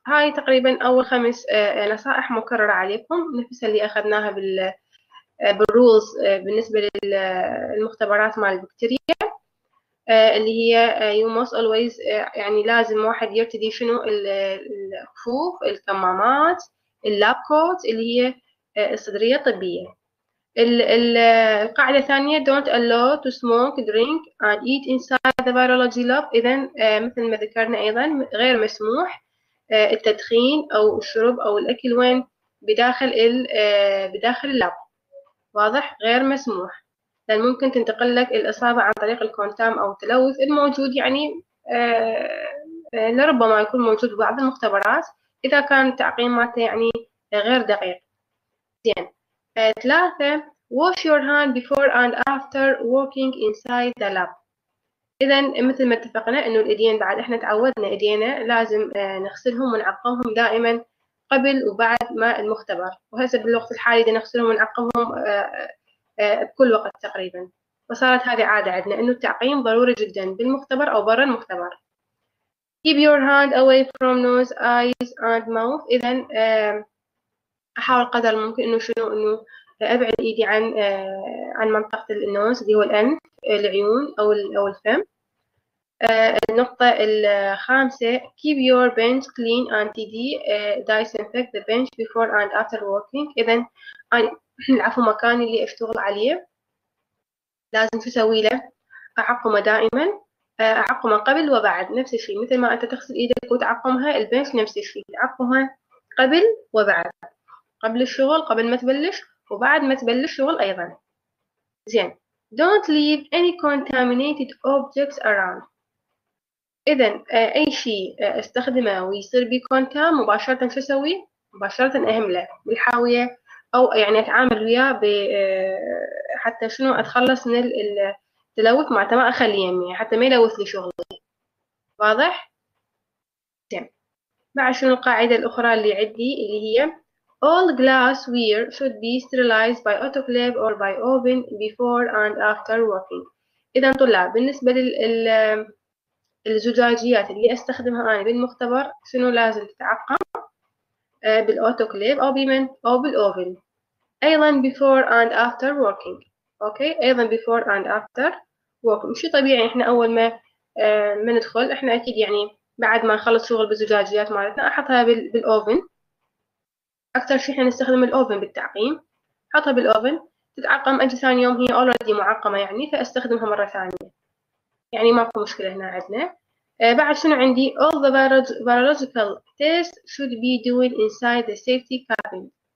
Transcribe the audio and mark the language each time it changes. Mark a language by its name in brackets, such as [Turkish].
[Arabic] هاي تقريبا أول خمس نصائح مكررة عليكم، نفس اللي أخذناها بالرولز بالنسبة للمختبرات مع البكتيريا، اللي هي [English] You must always، [Arabic] يعني لازم واحد يرتدي شنو؟ الخفوف، الكمامات، اللاب كوت اللي هي الصدرية الطبية. القاعدة الثانية: [English] don't allow to smoke, drink and eat inside the virology lab. [Arabic] إذا مثل ما ذكرنا أيضا، غير مسموح التدخين أو الشرب أو الأكل وين؟ بداخل اللاب، واضح؟ غير مسموح، لأن ممكن تنتقل لك الإصابة عن طريق الكونتام أو التلوث الموجود يعني لربما يكون موجود بعض المختبرات إذا كان تعقيماته يعني غير دقيق. زين، ثلاثة، [English] wash your hand before and after working inside the lab. [Arabic] إذا مثل ما اتفقنا إنه الإيدين بعد إحنا تعودنا إيدينا لازم نغسلهم ونعقمهم دائما قبل وبعد ما المختبر، وهسه بالوقت الحالي دا نغسلهم ونعقمهم بكل وقت تقريبا، وصارت هذه عادة عندنا إنه التعقيم ضروري جدا بالمختبر أو برا المختبر. [English] Keep your hand away from nose, eyes and mouth. [Arabic] إذا أحاول قدر الممكن إنه شنو إنه أبعد إيدي عن منطقة النوز اللي هو الأنف، العيون أو الفم. النقطة الخامسة، [English] keep your bench clean and tidy, disinfect the bench before and after working. [Arabic] إذا العفو مكان اللي أشتغل عليه لازم تسوي له أعقمه دائما، أعقمه قبل وبعد، نفس الشيء مثل ما أنت تغسل إيدك وتعقمها، البنش نفس الشيء، تعقمها قبل وبعد، قبل الشغل، قبل ما تبلش، وبعد ما تبلش شغل أيضا. زين، [English] don't leave any contaminated objects around. [Arabic] إذا أي شيء أستخدمه ويصير بيه كونتام مباشرة شو أسوي؟ مباشرة أهمله بالحاوية، أو يعني أتعامل وياه حتى شنو أتخلص من التلوث مالته، ما أخليه يمي حتى ما يلوث لي شغلي. واضح؟ زين، بعد شنو القاعدة الأخرى اللي عندي اللي هي [English] All glassware should be sterilized by autoclave or by oven before and after working. [Arabic] إذا طلاب بالنسبة للزجاجيات اللي أستخدمها أنا بالمختبر شنو لازم تتعقم؟ بالأوتوكليف أو بمن؟ أو بالأوفن. أيضا [English] before and after working. [Arabic] أوكي؟ أيضا [English] before and after working. [Arabic] شو طبيعي إحنا أول ما ندخل إحنا أكيد يعني بعد ما نخلص شغل بالزجاجيات مالتنا أحطها بالأوفن. اكثر شيء احنا نستخدم الاوفن بالتعقيم، حطها بالاوفن تتعقم، اجي ثاني يوم هي اوريدي معقمه يعني فاستخدمها مره ثانيه، يعني ماكو مشكله هنا عندنا. بعد شنو عندي؟ [English] all the biological tests should be doing inside the safety cabin.